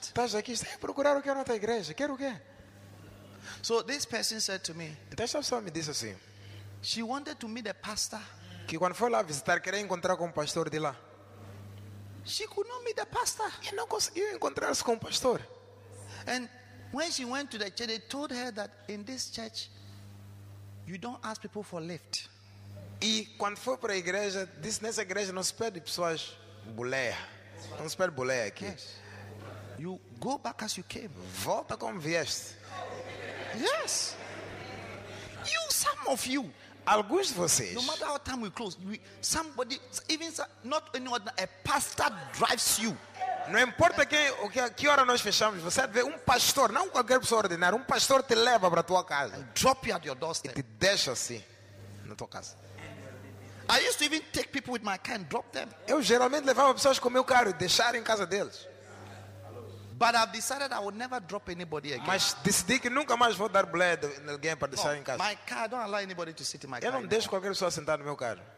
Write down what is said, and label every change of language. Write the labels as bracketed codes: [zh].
[pt] Estás aqui, estás a procurar o que na outra igreja? Quer o quê? [en] So this person said to me. [pt] Então essa pessoa me disse assim. [en] She wanted to meet a pastor. [pt] Que quando foi lá visitar queria encontrar com o pastor de lá. [en] She could not meet the pastor. [pt] E não conseguiu encontrar-se com o pastor. [en] And when she went to the church, they told her that in this church you don't ask people for lift. [pt] E quando foi para a igreja, disse nessa igreja não se pede pessoas boleia. Não se pede boleia aqui. [en] Yes. You go back as you came. [pt] Volta como vieste. [en] Yes. You, some of you. [pt] Alguns de vocês. [en] No matter how time we close, somebody, even not anyone, a pastor drives you. [pt] Não importa que hora nós fechamos, você vê pastor, não qualquer pessoa ordinária, pastor te leva para tua casa. [en] And drop you at your doorstep. [pt] E te deixa assim na tua casa. [en] I used to even take people with my car and drop them. [pt] Eu geralmente levava pessoas com meu carro e deixar em casa deles. [en] But I've decided I will never drop anybody again. [pt] Mas decidi que nunca mais vou dar blood em alguém para deixar em casa. [en] My car, I don't allow anybody to sit in my car. [pt] Eu não deixo qualquer pessoa sentar no meu carro.